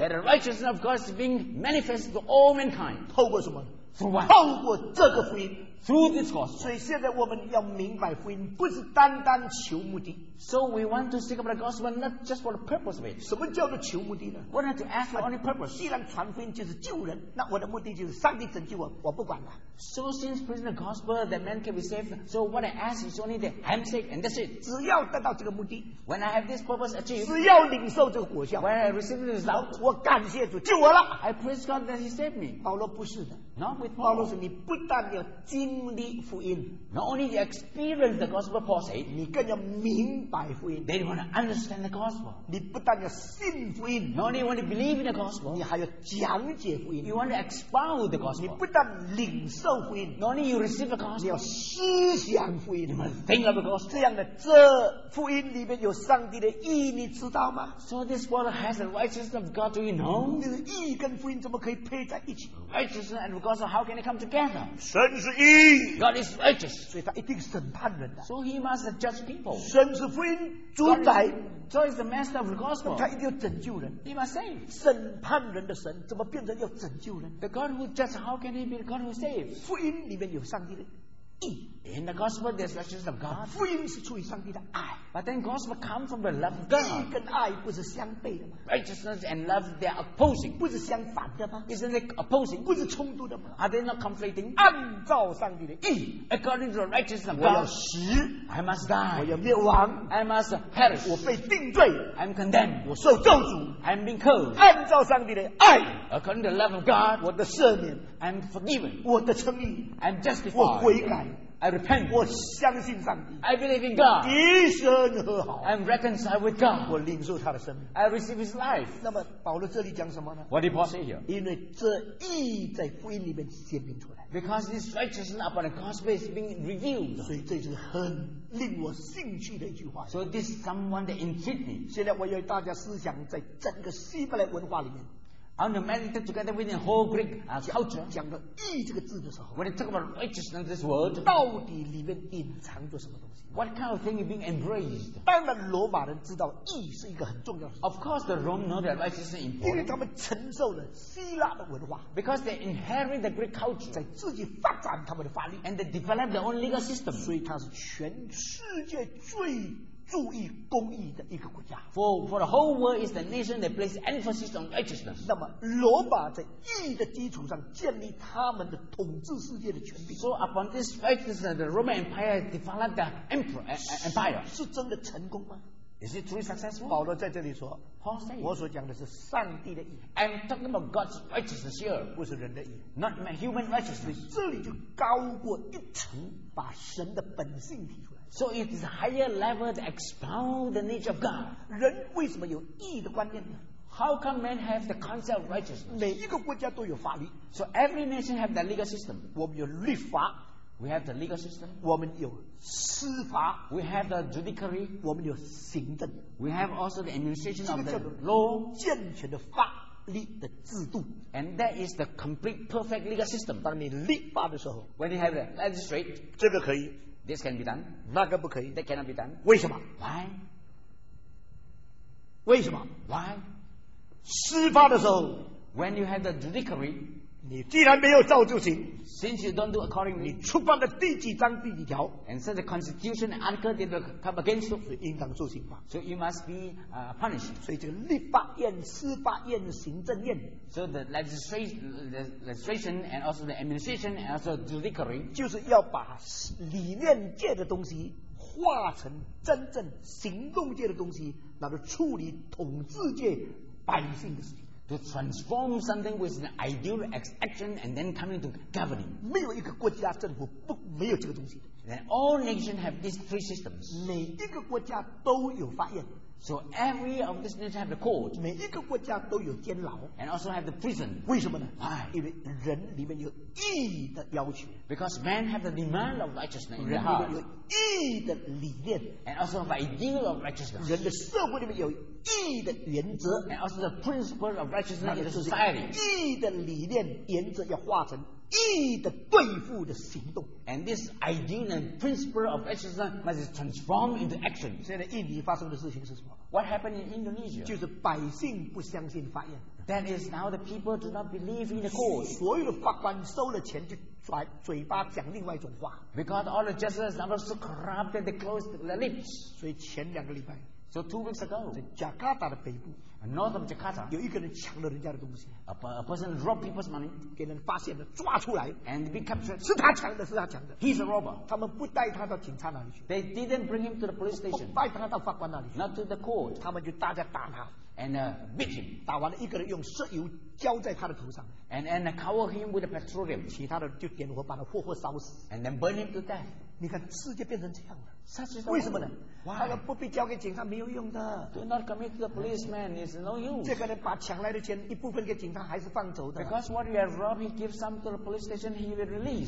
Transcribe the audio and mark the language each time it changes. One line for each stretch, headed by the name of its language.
English: that the righteousness of God is being manifested to all mankind.
Chinese: 透过什么
English: Through what?
Chinese: 透过这个福音
English: through this gospel.
Chinese: 所以现在我们要明白福音不是单单求目的
English: So we want to think about the gospel not just for the purpose of it.
Chinese: 什么叫做求目的呢
English: We want to ask for only purpose.
Chinese: 既然传福音就是救人那我的目的就是上帝拯救我我不管了
English: So since preaching the gospel that man can be saved So what I ask is only the handshake and that's it.
Chinese: 只要得到这个目的
English: When I have this purpose achieved
Chinese: 只要领受这个果效
English: When I receive this result
Chinese: 我感谢主救我了
English: I praise God that he saved me.
Chinese: 保罗不是的
English: Not with Paul.
Chinese: 保罗说你不但要经历福音
English: Not only you experience the gospel Paul said
Chinese: 你更要明白福音
English: Then you want to understand the gospel
Chinese: 你不但要信福音
English: Not only you want to believe in the gospel
Chinese: 你还要讲解福音
English: You want to expound the gospel
Chinese: 你不但领受福音
English: Not only you receive the gospel
Chinese: 你要思想福音
English: You want to think of the gospel
Chinese: 这样的这福音里面有上帝的意义你知道吗
English: So this world has the righteousness of God do you know
Chinese: 你的意义跟福音怎么可以配在一起
English: Righteousness and God so how can it come together
Chinese: 神是义
English: God is righteous
Chinese: 所以他一定审判人的
English: so he must judge people
Chinese: 神是福音主宰
English: so he's the master of the gospel
Chinese: 他一定要拯救人
English: he must save
Chinese: 审判人的神怎么变成要拯救人
English: the God who judge how can he be the God who saves
Chinese: 福音里面有上帝的
English: In the gospel, there's righteousness of God.
Chinese: 福音是出于上帝的爱
English: But then gospel comes from the love of God.
Chinese: 义跟爱不是相悖的吗
English: Righteousness and love, they're opposing.
Chinese: 不是相反的吗
English: Isn't it opposing?
Chinese: 不是冲突的吗
English: Are they not conflicting?
Chinese: 按照上帝的义
English: According to the righteousness of God.
Chinese: 我要死
English: I must die.
Chinese: 我要灭亡
English: I must perish.
Chinese: 我被定罪
English: I'm condemned.
Chinese: 我受咒诅
English: I'm being cursed.
Chinese: 按照上帝的爱
English: According to the love of God.
Chinese: 我的赦免
English: I'm forgiven.
Chinese: 我的称义
English: I'm justified.
Chinese: 我悔改
English: I repent.
Chinese: 我相信上帝
English: I believe in God.
Chinese: 一生和好
English: I'm reconciled with God.
Chinese: 我领受他的生命
English: I receive his life.
Chinese: 那么保罗这里讲什么呢
English: What did Paul say here?
Chinese: 因为这义在福音里面显明出来
English: Because this righteousness upon the gospel is being revealed.
Chinese: 所以这是很令我兴趣的一句话
English: So this is someone that intrigued me.
Chinese: 现在我要大家思想在整个希伯来文化里面
English: I want to meditate together with the whole Greek culture.
Chinese: 讲到义这个字的时候
English: When you talk about righteousness, this word,
Chinese: 到底里面隐藏着什么东西
English: What kind of thing is being embraced?
Chinese: 当然罗马人知道义是一个很重要的
English: Of course, the Romans know that righteousness is important.
Chinese: 因为他们承受了希腊的文化
English: Because they inherit the Greek culture.
Chinese: 在自己发展他们的法律
English: And they develop their own legal system.
Chinese: 所以它是全世界最注意公义的一个国家
English: for the whole world is the nation that places emphasis on righteousness
Chinese: 那么罗马在义的基础上建立他们的统治世界的权柄
English: so upon this righteousness the Roman Empire developed the empire
Chinese: 是真的成功吗
English: is it truly successful
Chinese: 保罗在这里说
English: Paul said
Chinese: 我所讲的是上帝的义
English: I'm talking about God's righteousness here
Chinese: 不是人的义
English: not my human righteousness
Chinese: 这里就高过一层把神的本性提出来
English: So it is a higher level to expound the nature of God
Chinese: 人为什么有义的观念呢
English: How come men have the concept of righteousness
Chinese: 每一个国家都有法律
English: So every nation have the legal system
Chinese: 我们有律法
English: We have the legal system
Chinese: 我们有司法
English: We have the judiciary
Chinese: 我们有行政
English: We have also the administration of the law
Chinese: 健全的法立的制度
English: and that is the complete perfect legal system
Chinese: 当你立法的时候
English: when you have a legislate
Chinese: 这个可以
English: this can be done
Chinese: 那个不可以
English: that cannot be done
Chinese: 为什么
English: why
Chinese: 为什么
English: why
Chinese: 司法的时候
English: when you have the judiciary
Chinese: 你既然没有照就行
English: since you don't do accordingly
Chinese: 你触犯了第几章第几条
English: and since the constitution article did not come against you
Chinese: 所以应当受刑罚
English: so you must be punished
Chinese: 所以这个立法院司法院行政院
English: so the legislation and also the administration and also judiciary
Chinese: 就是要把理念界的东西化成真正行动界的东西拿来处理统治界百姓的事情
English: to transform something with an ideal action and then coming to governing.
Chinese: 没有一个国家政府没有这个东西。
English: Then all nations have these three systems.
Chinese: 每一个国家都有法院。
English: So every of these nations have the court.
Chinese: 每一个国家都有监牢。
English: And also have the prison.
Chinese: 为什么呢？
English: Why?
Chinese: 因为人里面有义的要求。
English: Because man have the demand of righteousness in the heart.
Chinese: 人里面有义的理念。
English: And also have ideal of righteousness.
Chinese: 人的社会里面有义的原则。
English: And also the principle of righteousness in the society.
Chinese: 义的理念原则要化成 义的对付的行动。
English: And this ideal and principle of righteousness must be transformed into action.
Chinese: 现在印尼发生的事情是什么？
English: What happened in Indonesia?
Chinese: 就是百姓不相信法院。
English: That is now the people do not believe in the court.
Chinese: 所有的法官收了钱就嘴巴讲另外一种话。
English: Because all the justices are so corrupt that they close their lips.
Chinese: 所以前两个礼拜。
English: So 2 weeks ago,
Chinese: 在加卡达的北部,
English: north of Jakarta,
Chinese: 有一个人抢了人家的东西,
English: a person robbed people's money,
Chinese: 给人发现了,抓出来,
English: and be captured.
Chinese: 是他抢的,
English: he's a robber.
Chinese: 他们不带他到警察那里去,
English: they didn't bring him to the police station,
Chinese: 不带他到法官那里去,
English: not to the court.
Chinese: 他们就大家打他,
English: and beat him.
Chinese: 打完了一个人用石油浇在他的头上,
English: and cover him with a petroleum.
Chinese: 其他的就点火把他活活烧死,
English: and then burn him to death.
Chinese: 你看世界变成这样了。为什么呢？
English: Why?
Chinese: 他们不必交给警察没有用的。
English: Do not commit to the policeman, it's no use.
Chinese: 这个人把抢来的钱一部分给警察还是放走的。
English: Because what you have robbed, he gives some to the police station, he will release.